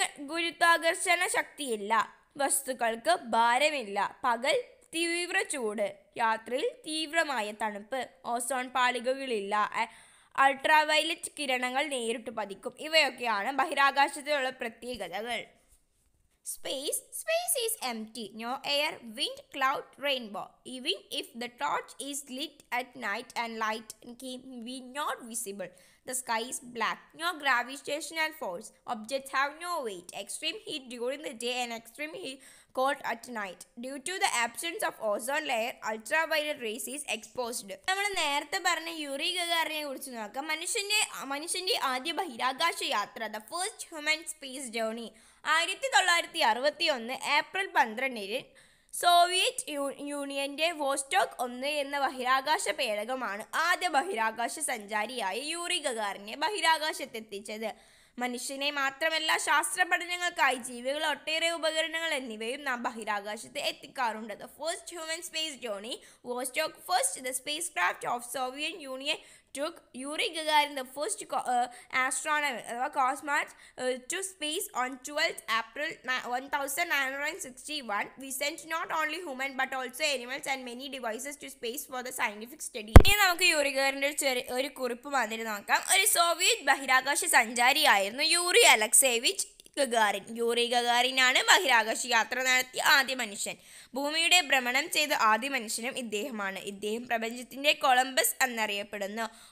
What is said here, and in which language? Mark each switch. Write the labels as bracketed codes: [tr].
[ml] ഗുരുത്വാകർഷണ ശക്തിയില്ല. വസ്തുക്കൾക്ക് ഭാരമില്ല. പകൽ തീവ്ര ചൂട്, രാത്രിയിൽ തീവ്രമായ തണുപ്പ്. ഓസോൺ പാളികളില്ല. അൾട്രാവയലറ്റ് കിരണങ്ങൾ നേരിട്ട് പതിക്കും. ഇവയൊക്കെയാണ് ബഹിരാകാശത്തിലുള്ള പ്രത്യേകതകൾ. [en] Space is empty. No air, wind, cloud, rainbow. Even if the torch is lit at night and light can be not visible. The sky is black. No gravitational force. Objects have no weight. Extreme heat during the day and extreme heat cold at night. Due to the absence of ozone layer, ultraviolet rays is exposed. [ml] നമ്മൾ നേരത്തെ പറഞ്ഞ Yuri ഗഗാറിനെ കുറിച്ച് നോക്കാം. മനുഷ്യന്റെ ആദ്യ ബഹിരാകാശ യാത്ര, [en] the first human space journey, [ml] 1961 April 12 Soviet യൂണിയന്റെ വോസ്റ്റോക്ക് 1 എന്ന ബഹിരാകാശ പേടകമാണ് ആദ്യ ബഹിരാകാശ സഞ്ചാരിയായ യൂറി ഗഗാറിനെ ബഹിരാകാശത്തെത്തിച്ചത്. മനുഷ്യനെ മാത്രമല്ല, ശാസ്ത്ര പഠനങ്ങൾക്കായി ജീവികൾ, ഒട്ടേറെ ഉപകരണങ്ങൾ എന്നിവയും നാം ബഹിരാകാശത്ത് എത്തിക്കാറുണ്ട്. [en] The first human space journey Vostok first the spacecraft of Soviet Union took Yuri Gagarin the first astronaut or cosmonaut to space on 12th April 1961. We sent not only human but also animals and many devices to space for the scientific study. [ml] ഇനി നമുക്ക് Yuri ഗഗാറിന്റെ ഒരു കുറിപ്പ് വന്നിട്ട് നോക്കാം. ഒരു Soviet ബഹിരാകാശ സഞ്ചാരിയായിരുന്നു Yuri അലക്സേവിച്ച് Gagarin. Yuri ഗഗാറിനാണ് ബഹിരാകാശ യാത്ര നടത്തിയ ആദ്യ മനുഷ്യൻ. ഭൂമിയുടെ ഭ്രമണം ചെയ്ത ആദ്യ മനുഷ്യനും ഇദ്ദേഹമാണ്. ഇദ്ദേഹം പ്രപഞ്ചത്തിന്റെ കൊളംബസ് എന്നറിയപ്പെടുന്നു.